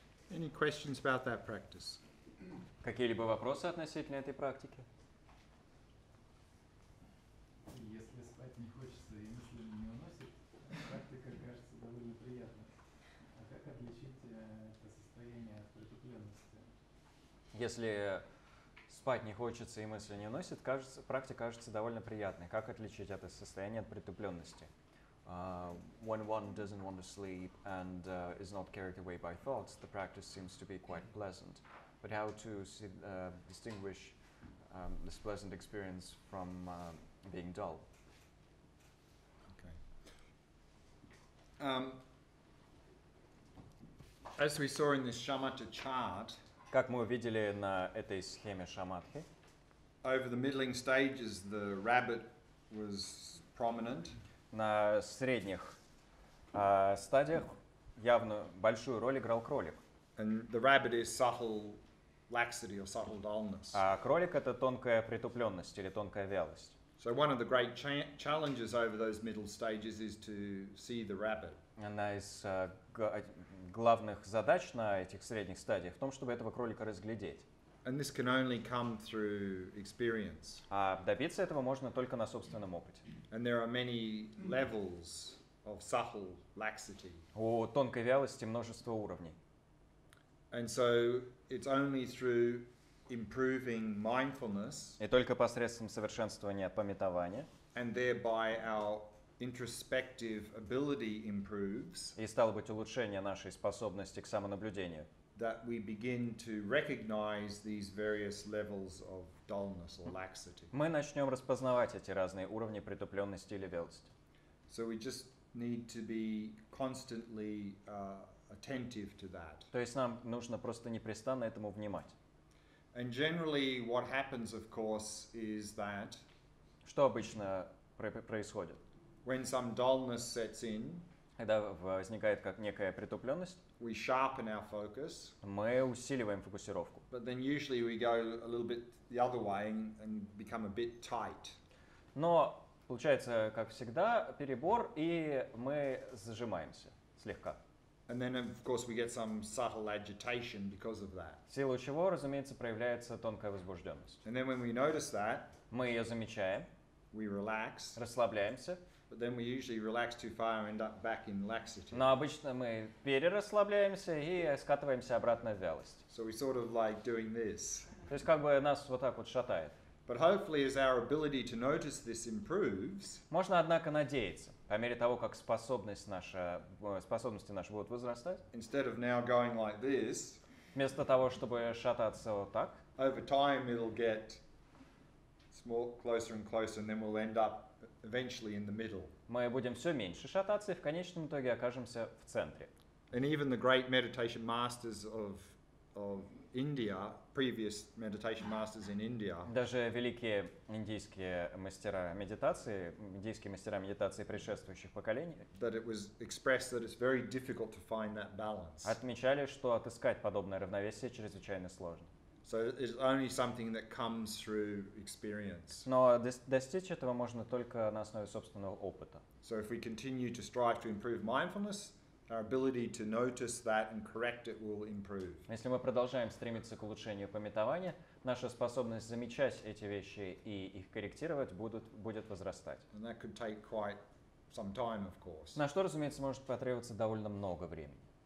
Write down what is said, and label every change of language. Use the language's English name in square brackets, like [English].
[English] Any questions about that practice? [Russian] Какие-либо вопросы относительно этой практики? Если спать не хочется и мысли не уносит, практика кажется довольно приятной. А как отличить это состояние от притупленности? Если спать не хочется и мысли не уносит, практика кажется довольно приятной. Как отличить это состояние от притупленности? [English] When one doesn't want to sleep and is not carried away by thoughts, the practice seems to be quite pleasant. But how to distinguish this pleasant experience from being dull? Okay. As we saw in this shamatha chart, [Russian] как мы увидели на этой схеме шамадхи, [English] over the middling stages, the rabbit was prominent. [Russian] На средних стадиях явно большую роль играл кролик. [English] And the rabbit is subtle laxity or subtle dullness. [Russian] А кролик — это тонкая притупленность или тонкая вялость. [English] So one of the great challenges over those middle stages is to see the rabbit. [Russian] Одна из главных задач на этих средних стадиях в том, чтобы этого кролика разглядеть. [English] And this can only come through experience. [Russian] А добиться этого можно только на собственном опыте. [English] And there are many levels of subtle laxity. [Russian] У тонкой вялости множество уровней. [English] And so it's only through improving mindfulness. [Russian] И только посредством совершенствования памятования. [English] And thereby our introspective ability improves. [Russian] И стало быть улучшение нашей способности к самонаблюдению. [English] That we begin to recognize these various levels of dullness or laxity. [Russian] Мы начнем распознавать эти разные уровни притупленности или вялости. [English] So we just need to be constantly attentive to that. [Russian] То есть нам нужно просто непрестанно этому внимать. [English] And generally, what happens, of course, is that. [Russian] Что обычно происходит? [English] When some dullness sets in. [Russian] Когда возникает как некая притупленность, [English] we sharpen our focus, [Russian] мы усиливаем фокусировку. [English] But then usually we go a little bit the other way and become a bit tight. [Russian] Но получается, как всегда, перебор, и мы зажимаемся слегка. [English] And then, of course, we get some subtle agitation because of that. [Russian] В силу чего, разумеется, проявляется тонкая возбужденность. [English] And then when we notice that, [Russian] мы ее замечаем, [English] we relax, [Russian] расслабляемся. [English] But then we usually relax too far and end up back in laxity. [Russian] Но обычно мы перерасслабляемся и скатываемся обратно в вялость. [English] So we sort of like doing this. [Russian] То есть как бы нас вот так вот шатает. [English] But hopefully as our ability to notice this improves. [Russian] Можно однако надеяться, по мере того, как способности наши будут возрастать. [English] Instead of now going like this. [Russian] Вместо того, чтобы шататься вот так. [English] Over time it'll get more closer and closer and then we'll end up eventually in the middle. [Russian] Мы будем все меньше шататься и в конечном итоге окажемся в центре. [English] And even the great meditation masters of India, previous meditation masters in India. [Russian] Даже великие индийские мастера медитации, индийские мастера медитации предшествующих поколений, [English] that it was expressed that it's very difficult to find that balance. [Russian] Отмечали, что отыскать подобное равновесие чрезвычайно сложно. [English] So it's only something that comes through experience. [Russian] Но достичь этого можно только на основе собственного опыта. [English] So if we continue to strive to improve mindfulness, our ability to notice that and correct it will improve. [Russian] Если мы продолжаем стремиться к улучшению памятования, наша способность замечать эти вещи и их корректировать будет возрастать. [English] And that could take quite some time, of course. [Russian] На что, разумеется, может потребоваться довольно много времени.